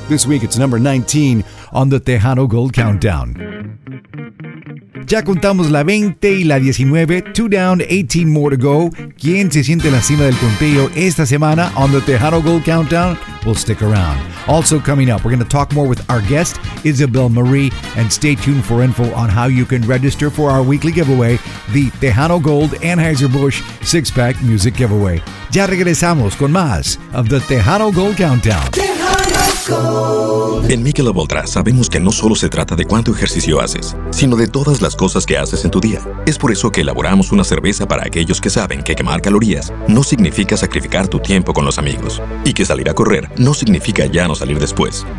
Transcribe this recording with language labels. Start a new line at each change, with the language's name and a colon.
English: This week it's number 19 on the Tejano Gold Countdown.
Spanish: Ya contamos la 20 y la 19.
English: Two down, 18 more to go.
Spanish: ¿Quién se siente en la cima del conteo esta semana
English: on the Tejano Gold Countdown? We'll stick around. Also coming up, we're going to talk more with our guest, Isabel Marie, and stay tuned for info on how you can register for our weekly giveaway, the Tejano Gold Anheuser-Busch six-pack music giveaway.
Spanish: Ya regresamos con más
English: of the Tejano Gold Countdown.
Spanish: En Michelob Ultra sabemos que no solo se trata de cuánto ejercicio haces, sino de todas las cosas que haces en tu día. Es por eso que elaboramos una cerveza para aquellos que saben que quemar calorías no significa sacrificar tu tiempo con los amigos, y que salir a correr no significa ya no salir después.